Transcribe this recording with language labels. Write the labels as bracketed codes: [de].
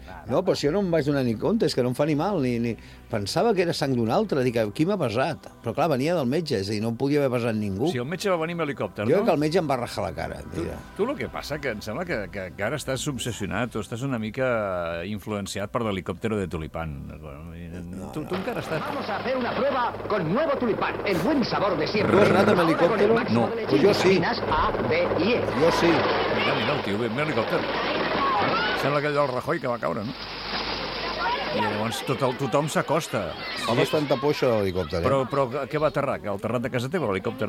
[ca] No, però si jo no em vaig donar ni compte, és que no em fa ni mal. Ni... Pensava que era sang d'un altre. Dic, qui m'ha pesat? Però clar, venia del metge, és a dir, no podia haver pesat ningú. Si el metge va venir amb helicòpter, jo no? Jo que el metge em va rajar la cara. Tu el que passa que em sembla que ara estàs obsessionat o estàs una mica influenciat per l'helicòptero de Tulipan. Tu encara estàs... [es] Vamos a hacer una prueba con nuevo Tulipan, el buen sabor de siempre. [ca] Tu has anat amb helicòptero? No. Jo sí. A, B, I, E. Jo sí. Mira, el tio, ve amb helicòpter. Sembla aquell del Rajoy que va caure, no? I llavors tothom s'acosta. Fa bastanta por això de l'helicòpter. Però què va aterrar? El terrat de casa teva, l'helicòpter?